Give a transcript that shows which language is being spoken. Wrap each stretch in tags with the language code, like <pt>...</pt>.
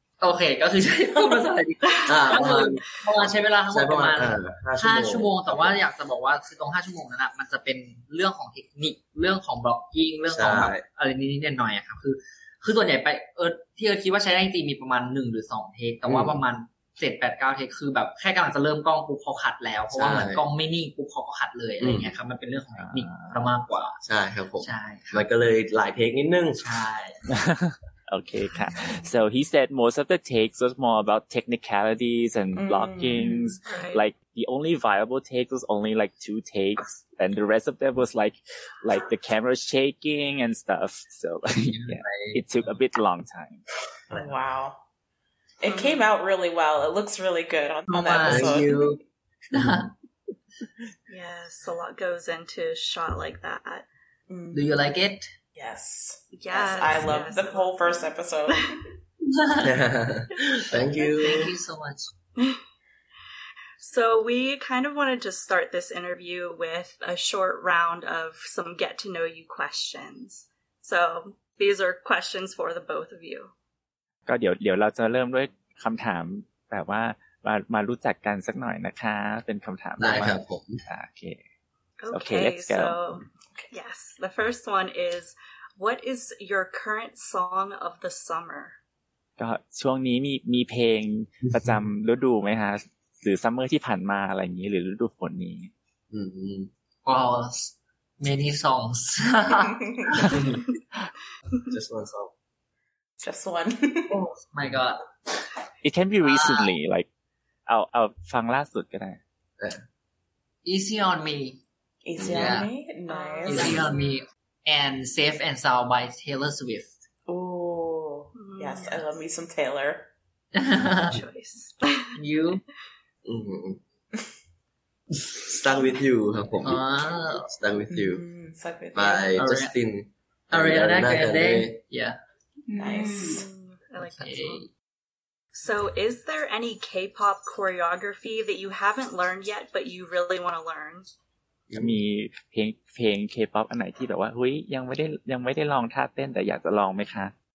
<th>โอเคก็คือใช้ภาษาไทยประมาณใช้เวลาทั้งหมดประมาณ5 ชั่วโมงแต่ว่าอยากจะบอกว่าคือตรง5ชั่วโมงนั้นอ่ะมันจะเป็นเรื่องของเทคนิคเรื่องของบล็อกกิ้งเรื่องของแบบอะไรนิดหน่อยครับคือส่วนใหญ่ไปที่คิดว่าใช้ได้จริงมีประมาณ1 หรือ 2 เทคแต่ว่าประมาณ7-8-9 เทคคือแบบแค่กำลังจะเริ่มกล้องปุ๊บเขาขัดแล้วเพราะว่าเหมือนกล้องไม่นิ่งปุ๊บเขาก็ขัดเลยอะไรเงี้ยครับมันเป็นเรื่องของเทคนิคมากกว่า ใช่ครับผม ใช่ มันก็เลยหลายเทคนิดนึง ใช่</th> <en>Okay, ka. So he said most of the takes was more about technicalities and blockings. Right. Like the only viable take was only like 2 takes, and the rest of them was like the camera shaking and stuff. So it took a bit long time. Wow, it came out really well. It looks really good on the episode. Thank you. Yes, a lot goes into a shot like that. Do you like it? Yes, I love the whole first episode. Thank you. Thank you so much. So we kind of wanted to start this interview with a short round of some get-to-know-you questions. So these are questions for the both of you.</en> <th>ก็เดี๋ยวเราจะเริ่มด้วยคำถามแบบว่ามารู้จักกันสักหน่อยนะคะเป็นคำถาม ได้ครับผม</th> <en>โอเค โอเค let's go yes the first one is what is your current song of the summer</en> <th>ก็ช่วงนี้มีเพลงประจำฤดูไหมคะหรือซัมเมอร์ที่ผ่านมาอะไรอย่างนี้หรือฤดูฝนนี้อืม</th> <en>well many songs just one song Just one. Oh my god. It can be recently, like, I'll fang last look at it. Easy on me. Easy on me? Nice. Easy on me. And Safe and Sound by Taylor Swift. Ooh. Yes, I love me some Taylor. Choice. You? Stuck with you, Hapong. Stuck with you. Stuck with by you. By Justin. Ariana Grande. Yeah. Nice. I like that song. So is there any K-pop choreography that you haven't learned yet but you really want to learn?</en> <th>มีเพลง K-pop อันไหนที่แบบว่าเฮ้ยยังไม่ได้ลองท่าเต้นแต่อยากจะลองมั้ยคะ</th>